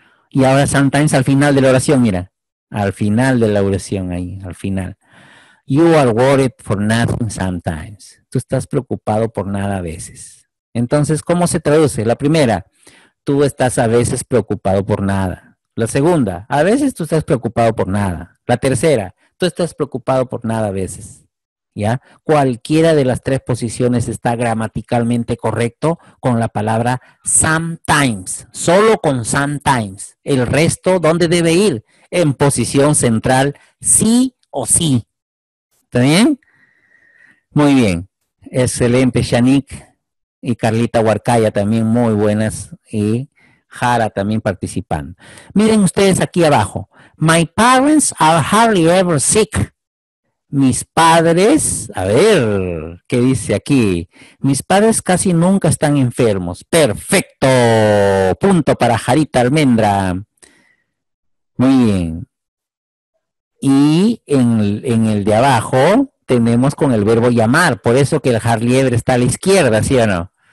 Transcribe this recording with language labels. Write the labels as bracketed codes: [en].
[es] Y ahora sometimes al final de la oración, mira, al final de la oración ahí, al final. [en] You are worried for nothing sometimes. [es] Tú estás preocupado por nada a veces. Entonces, ¿cómo se traduce? La primera, tú estás a veces preocupado por nada. La segunda, a veces tú estás preocupado por nada. La tercera, tú estás preocupado por nada a veces. ¿Ya? Cualquiera de las tres posiciones está gramaticalmente correcto con la palabra sometimes, solo con sometimes. El resto, ¿dónde debe ir? En posición central, sí o sí. ¿Está bien? Muy bien. Excelente, Shanique y Carlita Huarcaya también, muy buenas. Y Jara también participando. Miren ustedes aquí abajo. [en] My parents are hardly ever sick. [es] Mis padres, a ver, ¿qué dice aquí? Mis padres casi nunca están enfermos. Perfecto. Punto para Jarita Almendra. Muy bien. Y en el de abajo tenemos con el verbo llamar, por eso que el hardly ever está a la izquierda, ¿sí o no?